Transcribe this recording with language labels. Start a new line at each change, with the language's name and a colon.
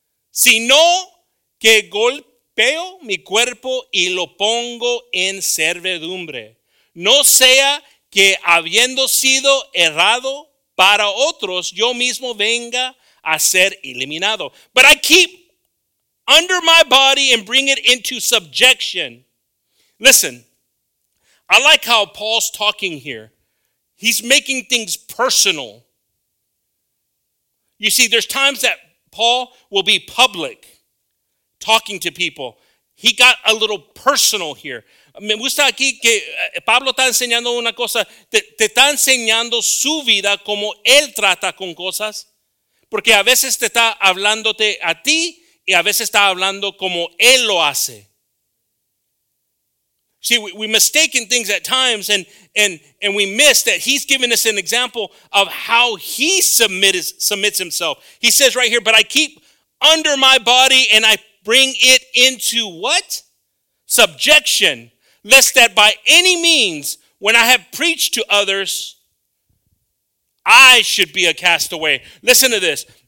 Spanish: sino que golpeo mi cuerpo y lo pongo en servidumbre. No sea que habiendo sido errado para otros, yo mismo venga a ser eliminado.
English: But I keep under my body and bring it into subjection. Listen, I like how Paul's talking here. He's making things personal. You see, there's times that Paul will be public talking to people. He got a little personal here.
Spanish: Me gusta aquí que Pablo está enseñando una cosa. Te está enseñando su vida, como él trata con cosas. Porque a veces te está hablándote a ti y a veces está hablando como él lo hace.
English: See, we mistaken things at times and we miss that he's giving us an example of how he submits himself. He says right here, but I keep under my body and I bring it into what? Subjection. Lest that by any means, when I have preached to others, I should be a castaway. Listen to this.